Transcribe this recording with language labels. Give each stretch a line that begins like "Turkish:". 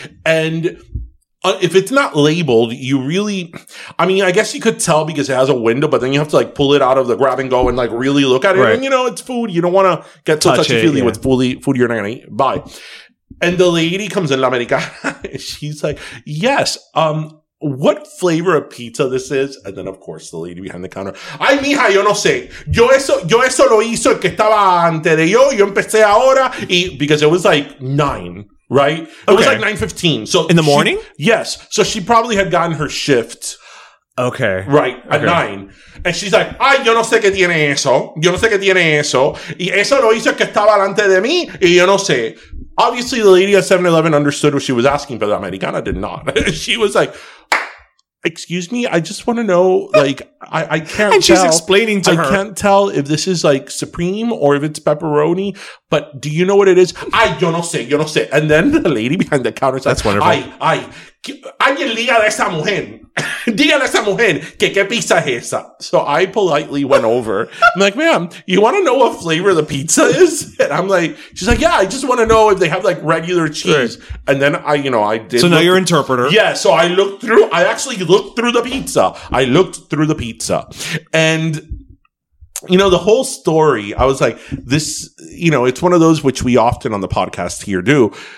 English: And if it's not labeled, you really, I mean, I guess you could tell because it has a window, but then you have to like pull it out of the grab and go and like really look at it. Right. And you know, it's food. You don't want to get so touchy feely with food you're not going to eat. Bye. And the lady comes in, La Americana, and she's like, yes, what flavor of pizza this is? And then, of course, the lady behind the counter,
Spanish: ay, mija, yo no sé. Yo eso lo hizo el que estaba antes de yo. Yo empecé ahora.
English: Because it was like 9, right? It was like 9:15. So in the morning? Yes. So she probably had gotten her shift. Okay. Right. At 9. And she's like,
Spanish: ay, yo no sé qué tiene eso. Yo no sé qué tiene eso. Y eso lo hizo el que estaba delante de mí. Y yo no sé.
English: Obviously, the lady at 7-Eleven understood what she was asking, but the Americana did not. She was like, excuse me, I just want to know, like, I can't tell. And she's explaining to her. I can't tell if this is, like, supreme or if it's pepperoni, but do you know what it is?
Spanish: Ay, yo no sé, yo no sé.
English: And then the lady behind the counter said, that's wonderful.
Spanish: Ay, alguien liga de esa mujer. Dígale a esa mujer que qué pizza es esa.
English: So I politely went over. I'm like, ma'am, you want to know what flavor the pizza is? And I'm like, she's like, yeah, I just want to know if they have like regular cheese. Right. And then I did. So now you're interpreter. Yeah. So I looked through the pizza. And, you know, the whole story, I was like, this, you know, it's one of those which we often on the podcast here do.